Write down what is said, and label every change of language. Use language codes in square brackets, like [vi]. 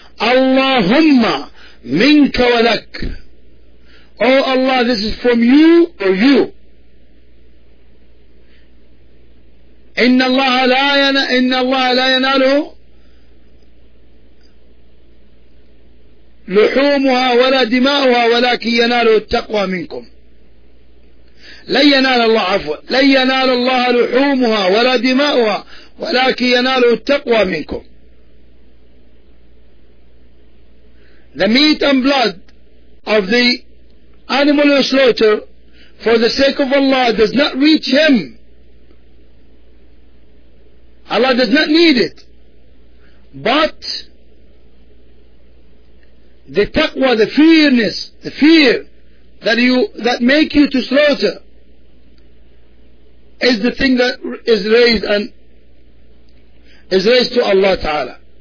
[ar] Allahumma minka wa lak. [en] Oh Allah, this is from you or you. [ar] إن الله لا يناله لحومها ولا دماؤها ولكن يناله التقوى منكم. لن ينال الله عفوا لن ينال الله لحومها ولا دماؤها ولكن يناله التقوى منكم. [en] The meat and blood of the animal you slaughter for the sake of Allah does not reach him. Allah does not need it. But the taqwa, the fearness, the fear that make you to slaughter is the thing that is raised and is raised to Allah Ta'ala.